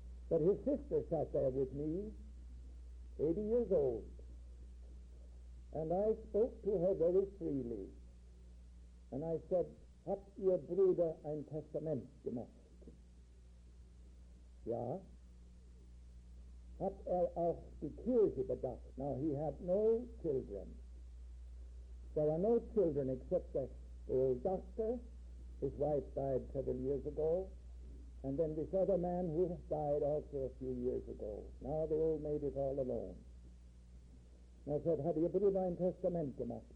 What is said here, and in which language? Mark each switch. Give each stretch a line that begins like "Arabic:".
English: But his sister sat there with me, 80 years old, and I spoke to her very freely, and I said,
German: "Hat ihr Bruder ein Testament gemacht?" "Ja." "Hat auch die Kirche bedacht?"
English: Now, he had no children. There are no children except the old doctor. His wife died 7 years ago, and then this other man who died also a few years ago. Now the old maid is all alone. And I said,
German: "Hat ihr Bruder ein Testament gemacht?"